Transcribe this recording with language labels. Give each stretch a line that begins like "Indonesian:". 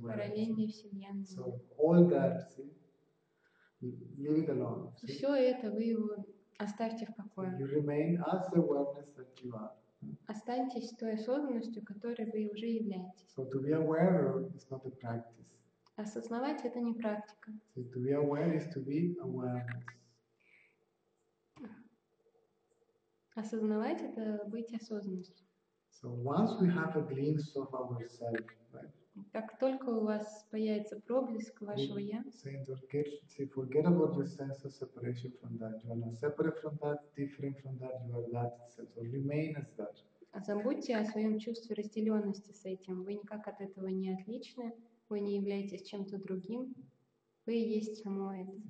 Russian: Параллельные вселенные.
English: So all that, see, leave it alone. See?
Russian: Все это вы его оставьте в покое.
English: You remain as the awareness that you are.
Russian: Останьтесь той осознанностью, которой вы уже являетесь.
English: So to be aware is not a practice.
Russian: Осознавать — это не практика.
English: So to be aware is to be awareness.
Russian: Осознавать — это быть осознанностью.
English: So once we have a glimpse of ourselves, right?
Russian: Как только у вас появится проблеск вашего я,
English: forget about your sense of separation from that. You are not separate from that, different from that. You are that itself. So remain as that.
Russian: Забудьте о своем чувстве разделенности с этим. Вы никак от этого не отличны. Вы не являетесь чем-то другим. Вы есть само это.